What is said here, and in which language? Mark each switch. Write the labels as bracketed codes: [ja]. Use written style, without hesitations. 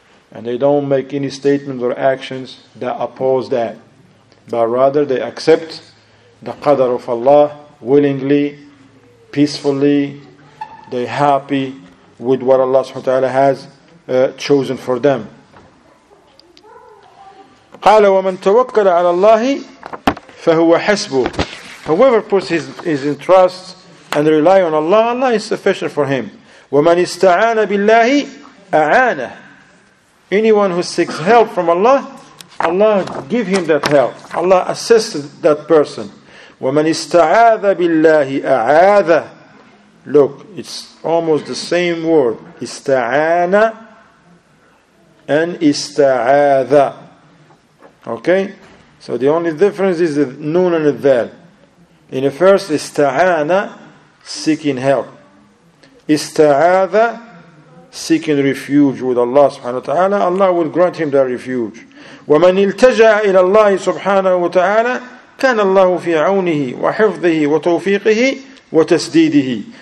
[en] And they don't make any statements or actions that oppose that. But rather they accept the qadr of Allah willingly, peacefully. They're happy with what Allah subhanahu wa ta'ala has chosen for them. [ar] قال ومن توكل على الله فهو حسبه. [en] Whoever puts his trust and rely on Allah, Allah is sufficient for him. [ar] ومن استعان بالله أعانه. [en] Anyone who seeks help from Allah, Allah give him that help. Allah assists that person. [ar] ومن استعاذ بالله أعاذه. [en] Look, it's almost the same word. [ar] استعان and استعاذ. [en] Okay, so the only difference is the noon and the dal. In the first, ista'ana, seeking help. Ista'adha, seeking refuge with Allah subhanahu wa ta'ala. Allah will grant him that refuge. [ar] وَمَنْ إِلْتَجَعَ إِلَى اللَّهِ سُبْحَانَهُ وَتَعَالَى كَانَ اللَّهُ فِي عَوْنِهِ وَحِفْظِهِ وَتَوْفِيقِهِ وَتَسْدِيدِهِ.